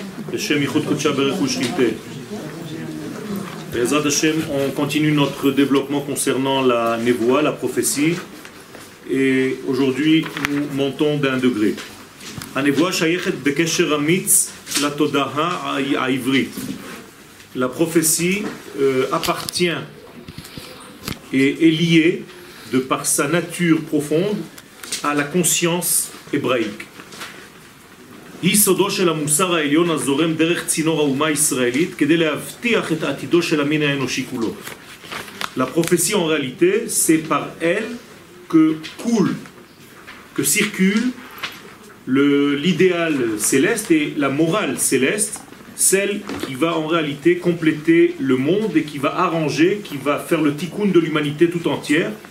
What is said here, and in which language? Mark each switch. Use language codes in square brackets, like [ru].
[he] בשם ייחוד קודשה ברכו שחיתה. בעזרת השם, [fr] on continue notre développement concernant la névoie, la prophétie. Et aujourd'hui, nous montons d'un degré. [he] הנבואה שייכת בקשר אמיץ לתודעה העברית. [fr] La prophétie appartient et est liée de par sa nature profonde à la conscience hébraïque. [he] היא סודו של המוסר העליון הזורם דרך צינור האומה הישראלית כדי להבטיח את עתידו של המין האנושי כולו. [fr] La prophétie en réalité, c'est par elle que coule, que circule l'idéal céleste et la morale céleste, celle qui va en réalité compléter le monde et qui va arranger, qui va faire le tikkun de l'humanité tout entière.